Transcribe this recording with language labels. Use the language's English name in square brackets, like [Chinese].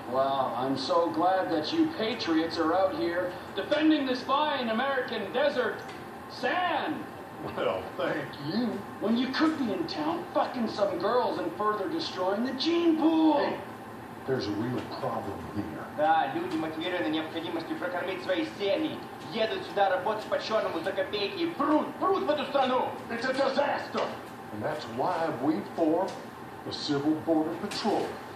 [English] Well, I'm so glad that you patriots are out here defending this fine American desert sand. Well, thank you. When you could be in town fucking some girls and further destroying the gene pool. Hey, there's a real problem here. [Russian] Да, люди мотивированы необходимостью прокормить свои семьи. Едут сюда работать по черному за копейки и прут в эту страну. [English] It's a disaster. And that's why we form the Civil Border Patrol.